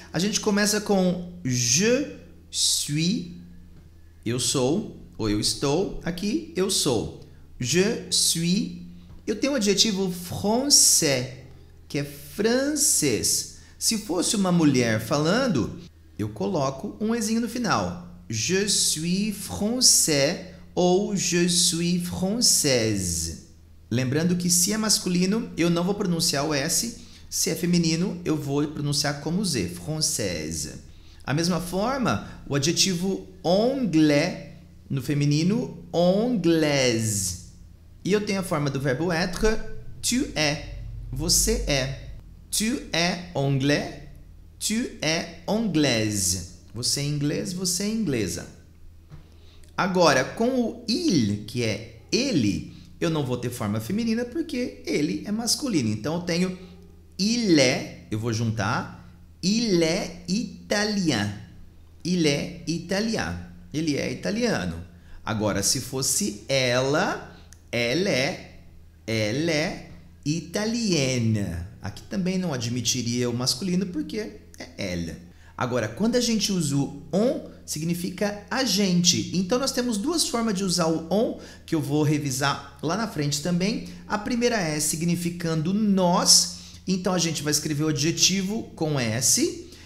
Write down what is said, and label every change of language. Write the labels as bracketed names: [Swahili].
[Portuguese] A gente começa com [French] je suis, [Portuguese] eu sou, ou eu estou, aqui eu sou. Je suis, eu tenho um adjetivo français, que é francês. Se fosse uma mulher falando, eu coloco um ezinho no final. [French] Je suis français ou je suis française. [Portuguese] Lembrando que se é masculino, eu não vou pronunciar o S. Se é feminino, eu vou pronunciar como Z, française. A mesma forma, o adjetivo anglais, no feminino, anglaise. E eu tenho a forma do verbo être, [French] tu es, [Portuguese] você é. [French] Tu es anglais, tu es anglaise. [Portuguese] Você é inglês, você é inglesa. Agora, com o il, que é ele, eu não vou ter forma feminina porque ele é masculino. Então, eu tenho il est, eu vou juntar, [French] il est italien. Il est italien. [Portuguese] Ele é italiano. Agora, se fosse ela, [French] elle est italienne. [Portuguese] Aqui também não admitiria o masculino porque é ela. Agora, quando a gente usa o on, significa a gente. Então, nós temos duas formas de usar o on, que eu vou revisar lá na frente também. A primeira é significando nós. Então, a gente vai escrever o adjetivo com S.